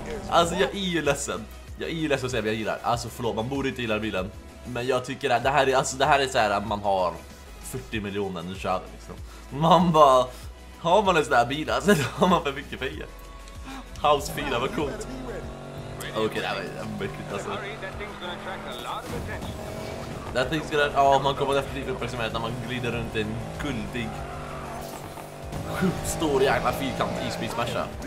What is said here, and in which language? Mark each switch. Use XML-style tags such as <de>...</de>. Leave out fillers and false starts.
<sv>Alltså jag är ju ledsen att säga, men jag gillar. Alltså förlåt, man borde inte gilla bilen. Men jag tycker att det här är så här att man har 40 miljoner nu kör liksom. Man bara, har man en sån här bil alltså, då har man för mycket pengar. House 4, vad coolt. Okej, det här var mycket alltså.</sv> <en>That thing's gonna attract a lot of attention.</en> <sv>Man kommer definitivt uppmärksamhet när man glider runt en guldig, sjukt stor jävla fyrkant i Speed Smash.</sv>